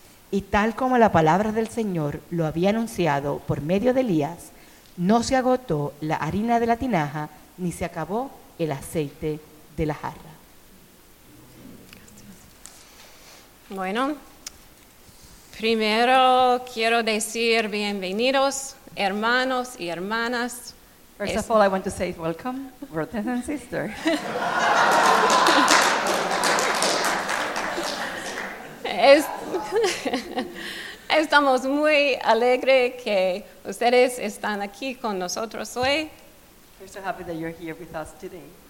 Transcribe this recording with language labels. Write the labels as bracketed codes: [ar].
[es] Y tal como la palabra del Señor lo había anunciado por medio de Elías, no se agotó la harina de la tinaja ni se acabó el aceite de la jarra. Bueno, primero quiero decir bienvenidos, hermanos y hermanas. [en] First of all, I want to say welcome, brothers and sisters. [es] Estamos muy alegres que ustedes están aquí con nosotros hoy. [en] We're so happy that you're here with us today.